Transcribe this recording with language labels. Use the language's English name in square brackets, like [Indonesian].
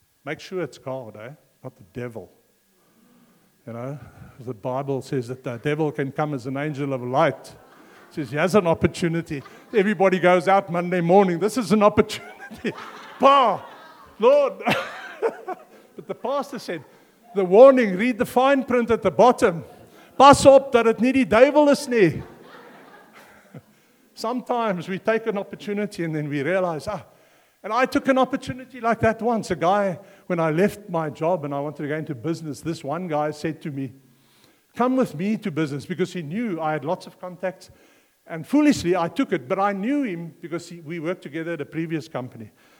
[English] Make sure it's God, eh? Not the devil. You know, the Bible says that the devil can come as an angel of light. It says he has an opportunity. Everybody goes out Monday morning. This is an opportunity. Pa, Lord. But the pastor said, the warning, read the fine print at the bottom. [Afrikaans] Pas op dat het nie die duivel is nie. [English] Sometimes we take an opportunity and then we realize, and I took an opportunity like that once. A guy, when I left my job and I wanted to go into business, this one guy said to me, come with me to business, because he knew I had lots of contacts. And foolishly, I took it, but I knew him because we worked together at a previous company.